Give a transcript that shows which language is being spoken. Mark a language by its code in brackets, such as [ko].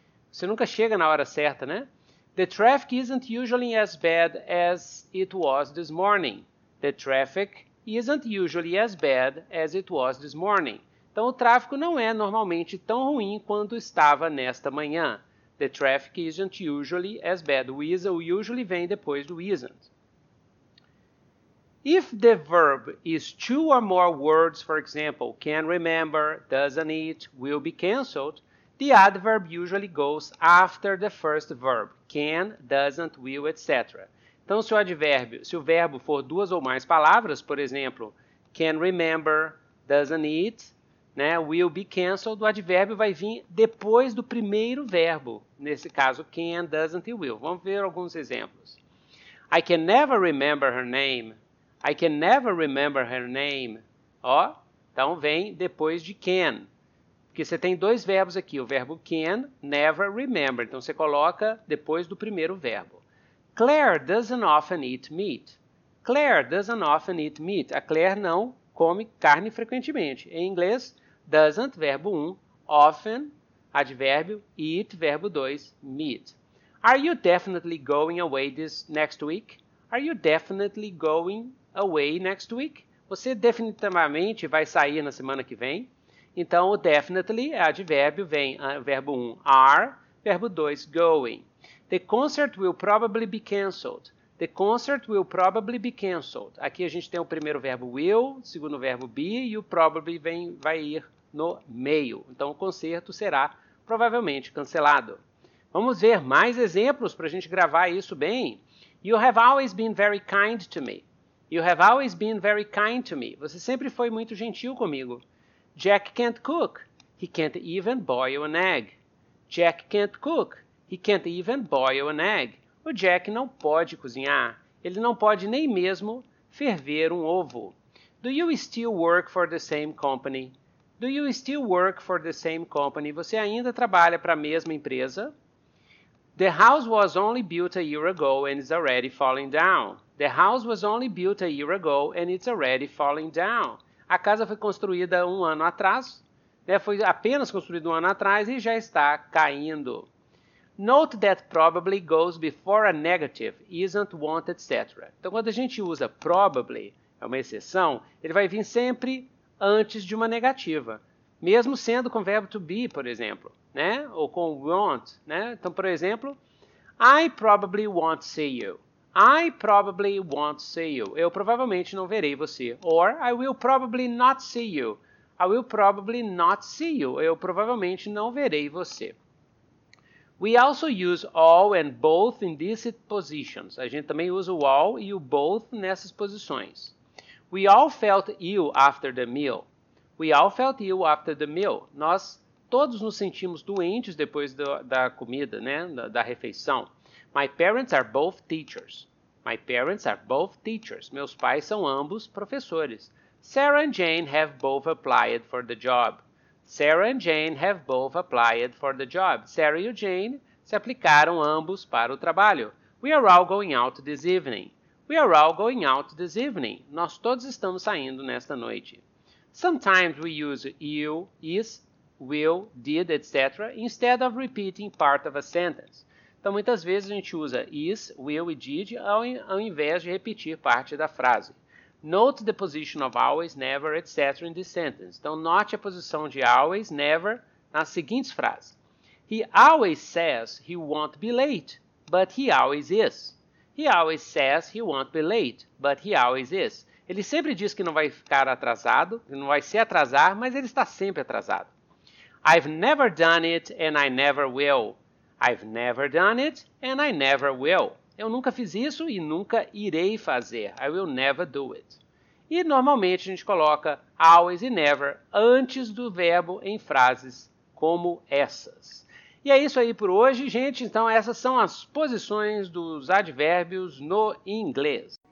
[pt] Você nunca chega na hora certa, né? [en] The traffic isn't usually as bad as it was this morning. The traffic isn't usually as bad as it was this morning. [pt] Então, o tráfego não é normalmente tão ruim quanto estava nesta manhã. [en] The traffic isn't usually as bad. [pt] O usually vem depois do isn't. [en] If the verb is two or more words, for example, can remember, doesn't eat, will be cancelled, the adverb usually goes after the first verb, can, doesn't, will, etc. [pt] Então, se o verbo for duas ou mais palavras, por exemplo, can remember, doesn't eat, né, will be cancelled, o advérbio vai vir depois do primeiro verbo, nesse caso, can, doesn't e will. Vamos ver alguns exemplos. [en] I can never remember her name. I can never remember her name. [pt] Ó, então vem depois de can. Porque você tem dois verbos aqui, o verbo can, never remember. Então você coloca depois do primeiro verbo. [en] Claire doesn't often eat meat. Claire doesn't often eat meat. [pt] A Claire não come carne frequentemente. Em inglês, doesn't, verbo 1, often, advérbio, eat, verbo 2, meat. [en] Are you definitely going away this next week? Are you definitely going away next week? [pt] Você definitivamente vai sair na semana que vem? Então, o definitely é advérbio, vem verbo 1, are, verbo 2, going. [en] The concert will probably be cancelled. The concert will probably be cancelled. [pt] Aqui a gente tem o primeiro verbo will, o segundo verbo be, e o probably vem, vai ir no meio. Então, o concerto será provavelmente cancelado. Vamos ver mais exemplos para a gente gravar isso bem. [en] You have always been very kind to me. You have always been very kind to me. [pt] Você sempre foi muito gentil comigo. [en] Jack can't cook. He can't even boil an egg. Jack can't cook. He can't even boil an egg. [pt] O Jack não pode cozinhar. Ele não pode nem mesmo ferver um ovo. [en] Do you still work for the same company? Do you still work for the same company? [pt] Você ainda trabalha para a mesma empresa? [en] The house was only built a year ago and it's already falling down. The house was only built a year ago and it's already falling down. [pt] A casa foi construída um ano atrás, né? Foi apenas construída um ano atrás e já está caindo. [en] Note that probably goes before a negative, isn't, won't, etc. [pt] Então, quando a gente usa probably, é uma exceção, ele vai vir sempre antes de uma negativa. Mesmo sendo com o verbo to be, por exemplo, né? Ou com won't, né? Então, por exemplo, [en] I probably won't see you. I probably won't see you. [pt] Eu provavelmente não verei você. [en] Or, I will probably not see you. I will probably not see you. [pt] Eu provavelmente não verei você. [en] We also use all and both in these positions. [pt] A gente também usa o all e o both nessas posições. [en] We all felt ill after the meal. We all felt ill after the meal. [pt] Nós todos nos sentimos doentes depois da comida, né? Da refeição. [en] My parents are both teachers. My parents are both teachers. [pt] Meus pais são ambos professores. [en] Sarah and Jane have both applied for the job. Sarah and Jane have both applied for the job. [pt] Sarah e Jane se aplicaram ambos para o trabalho. [en] We are all going out this evening. We are all going out this evening. [pt] Nós todos estamos saindo nesta noite. [en] Sometimes we use you, is, will, did, etc. instead of repeating part of a sentence. [pt] Então, muitas vezes a gente usa is, will e did ao invés de repetir parte da frase. [en] Note the position of always, never, etc. in this sentence. [pt] Então, note a posição de always, never nas seguintes frases. [en] He always says he won't be late, but he always is. He always says he won't be late, but he always is. [pt] Ele sempre diz que não vai ficar atrasado, que não vai se atrasar, mas ele está sempre atrasado. [en] I've never done it and I never will. I've never done it and I never will. [pt] Eu nunca fiz isso e nunca irei fazer. [en] I will never do it. [pt] E normalmente a gente coloca always e never antes do verbo em frases como essas. E é isso aí por hoje, gente. Então essas são as posições dos advérbios no inglês.